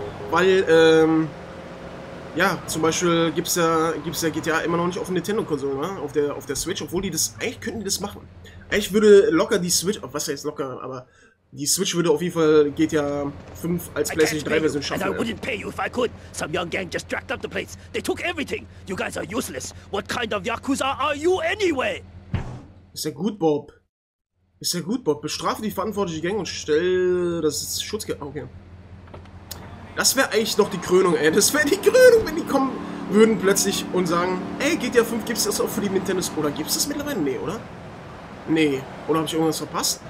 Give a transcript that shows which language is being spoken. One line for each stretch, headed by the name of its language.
German: Weil, zum Beispiel gibt's ja GTA immer noch nicht auf Nintendo-Konsolen, ne? Auf der Switch, obwohl die das, eigentlich könnten die das machen. Eigentlich würde locker die Switch, was heißt locker, aber die Switch würde auf jeden Fall GTA 5 als PlayStation 3-Version schaffen.
English: And I wouldn't pay you if I could. Some young gang just jacked up the place. They took everything. You guys are useless. What kind of Yakuza are you anyway?
German: Ist ja gut, Bob. Ist ja gut, Bob. Bestrafe die verantwortliche Gang und stell das Schutzgeld. Okay. Das wäre eigentlich noch die Krönung, ey. Das wäre die Krönung, wenn die kommen würden plötzlich und sagen, ey, GTA 5, gibt's das auch für die Nintendo? Oder gibt's das mittlerweile? Nee, oder? Nee. Oder habe ich irgendwas verpasst?